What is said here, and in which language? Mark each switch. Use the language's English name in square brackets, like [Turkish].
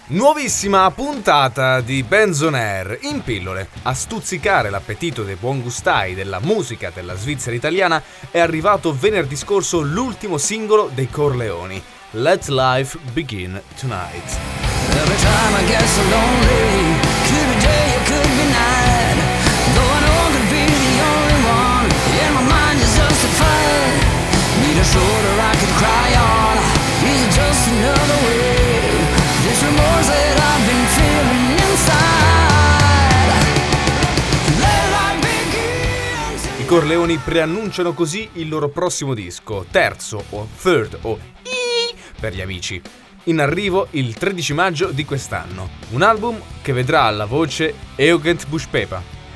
[Italian] Nuovissima puntata di Benz on air in pillole. A stuzzicare l'appetito dei buon gustai della musica della Svizzera italiana è arrivato venerdì scorso l'ultimo singolo dei Corleoni, Let Life Begin Tonight. [English] Every time I get so lonely, could be day or could be night. Though I know to be the only one, yeah, my mind is justified. Need a shoulder I could cry on, is it just another way? This remorse that I've been feeling inside. [Italian] Let I begin. I Corleoni preannunciano così il loro prossimo disco, terzo o third o per gli amici, in arrivo il 13 maggio di quest'anno. Un album che vedrà alla voce Eugen Buschpepa.